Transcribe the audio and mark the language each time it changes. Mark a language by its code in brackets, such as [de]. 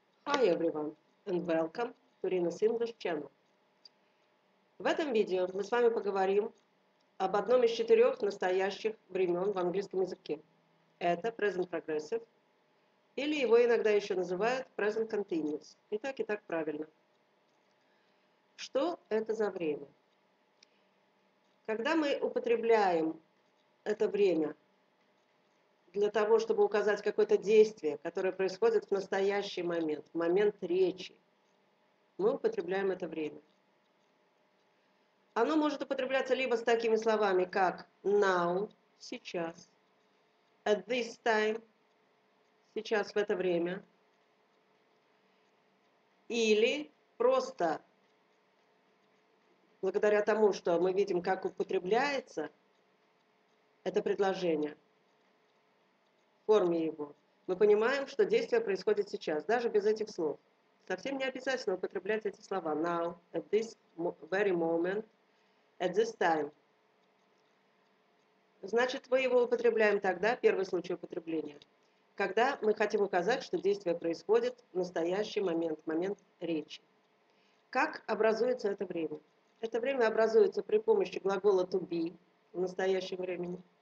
[en] Hi everyone and welcome to Rina's English Channel. [ru] В этом видео мы с вами поговорим об одном из четырех настоящих времен в английском языке. Это Present Progressive, или его иногда еще называют Present Continuous. И так правильно. Что это за время? Когда мы употребляем это время для того, чтобы указать какое-то действие, которое происходит в настоящий момент, в момент речи, мы употребляем это время. Оно может употребляться либо с такими словами, как now, сейчас, [en] at this time, [ru] сейчас, в это время, или просто благодаря тому, что мы видим, как употребляется это предложение, в форме его, мы понимаем, что действие происходит сейчас, даже без этих слов. Совсем не обязательно употреблять эти слова now, [en] at this very moment, [ru] at this time. Значит, мы его употребляем тогда, первый случай употребления, когда мы хотим указать, что действие происходит в настоящий момент, момент речи. Как образуется это время? Это время образуется при помощи глагола to be в настоящем времени.